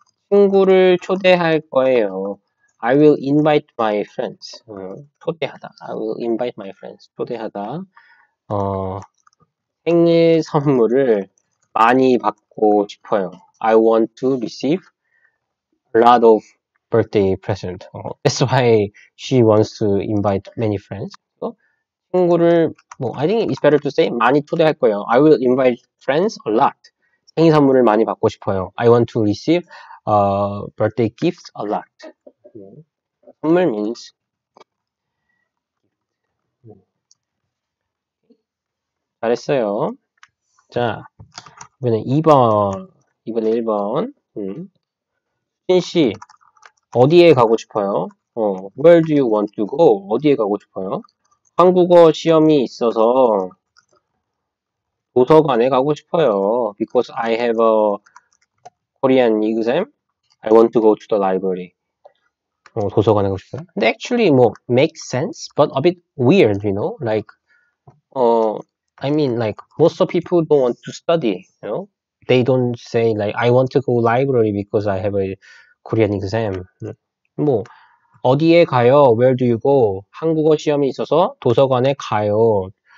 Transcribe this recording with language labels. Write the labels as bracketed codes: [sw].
[ko] 친구를 초대할 거예요. [en] I will invite my friends. 초대하다. I will invite my friends. 초대하다. [ko] 생일 선물을 많이 받고 싶어요. [en] I want to receive a lot of birthday present. That's why she wants to invite many friends. 친구를 뭐 I think it's better to say [ko] 많이 초대할 거예요. [en] I will invite friends a lot. [ko] 생일 선물을 많이 받고 싶어요. [en] I want to receive birthday gifts a lot. 선물 means [ko] 잘했어요. 자, 이번에 2번. 이번에 1번. 신 씨. 어디에 가고 싶어요? [en] Where do you want to go? [ko] 어디에 가고 싶어요? 한국어 시험이 있어서 도서관에 가고 싶어요. [en] Because I have a Korean exam, I want to go to the library. [ko] 도서관에 가고 싶어요. [en] And actually, 뭐, makes sense, but a bit weird, you know? Like, I mean, like, most of people don't want to study, you know? They don't say, like, I want to go library because I have a Korean exam. [ko] 뭐, 어디에 가요? [en] Where do you go? [ko] 한국어 시험이 있어서 도서관에 가요.